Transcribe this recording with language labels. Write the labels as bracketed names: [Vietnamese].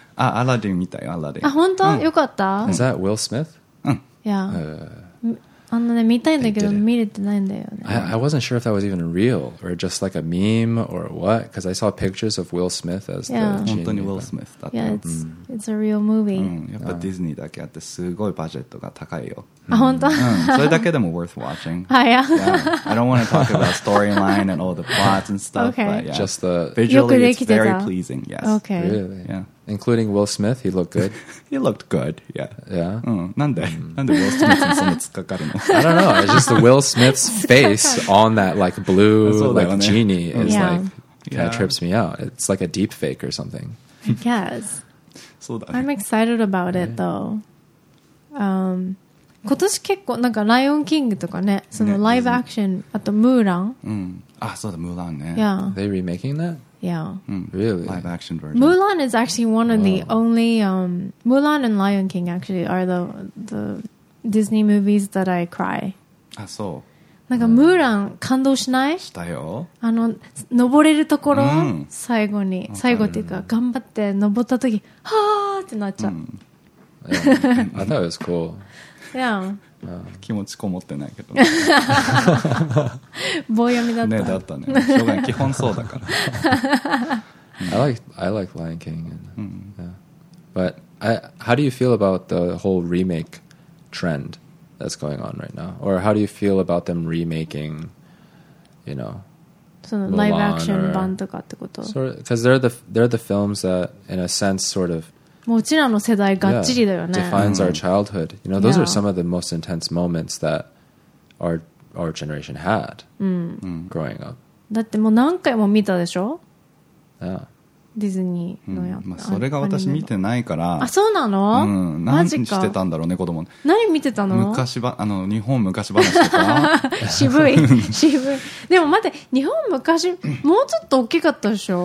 [Japanese] あ、アラディン見たよ、アラディン。あ、本当？よかった。 [English] Is that Will Smith? Yeah. [Japanese] あのね、見たいんだけど見れてないんだよね。 [English] I wasn't sure if that was even real or just like a meme or what, because I saw pictures of Will Smith as the genie. [Japanese] 本当に Will Smith だった。 [English] Yeah, it's a real movie. [Japanese] やっぱディズニーだけあってすごいバジェットが高いよ。あ、本当？それだけでも [English] worth watching. [Japanese] はい。 [English] I don't want to talk about storyline and all the plots and stuff, but yeah. Just the visually, it's very pleasing, yes. Okay. Really? Yeah. Including Will Smith, he looked good. He looked good, yeah. Yeah? [Japanese] なんで Will Smith にそんな突っかかるの? [English] I don't know. It's just the Will Smith's face on that like, blue like, genie is like, kind of trips me out. It's like a deep fake or something. Yes. [Japanese] そうだね。 [English] I'm excited about it, though. [Japanese] 今年結構なんかライオンキングとかね、そのライブアクション、あとムーラン。あ、そうだ、ムーランね。 [English] Yeah. They remaking that? Yeah. Really? Live action version. Mulan is actually one of the only... Mulan and Lion King actually are the Disney movies that I cry. [Japanese] あ、そう。なんか、Mulan、感動しない? したよ。あの、登れるところ、最後に、最後っていうか、頑張って登ったとき、はぁーってなっちゃう。 [English] I thought it was cool. Yeah. [Japanese] 気持ちこもってないけど棒読みだったね、だったね、しょうがない、基本そうだから。 [English] I like Lion King and,、But how do you feel about the whole remake trend? that's going on right now? Or how do you feel about them remaking, you know, live action [Japanese] 版とかってこと? [English] Because they're the films that, in a sense, sort of defines our childhood. You know, those are some of the most intense moments that our generation had growing up. [Japanese] だってもう何回も見たでしょ? [English] Yeah. [Japanese] ディズニーのやつ、まあ、それが私見てないから。あ、そうなの？うん、何してたんだろうね、子供。何見てたの？昔ば、あの、日本昔話とか。渋い。渋い。でも待って、日本昔、もうちょっと大きかったでしょ？